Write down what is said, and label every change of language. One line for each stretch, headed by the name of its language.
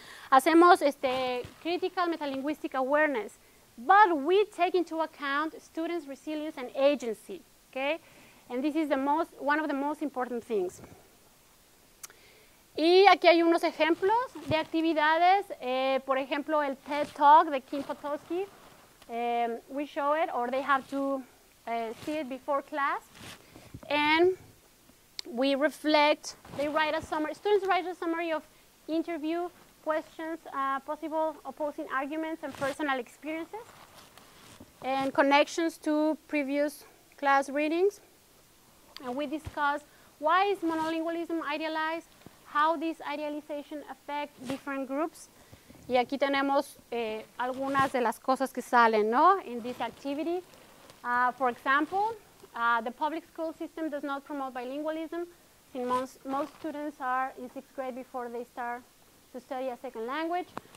English: Hacemos critical metalinguistic awareness, but we take into account students' resilience and agency, okay? And this is one of the most important things.
Spanish: Y aquí hay unos ejemplos de actividades, por ejemplo, el TED Talk de Kim Potowski.
English: We show it, or they have to see it before class. And we reflect, students write a summary of interview questions, possible opposing arguments, and personal experiences, and connections to previous class readings. And we discuss why is monolingualism idealized, how this idealization affects different groups.
Spanish: Y aquí tenemos algunas de las cosas que salen, ¿no?
English: In this activity. For example, the public school system does not promote bilingualism, since most students are in sixth grade before they start to study a second language.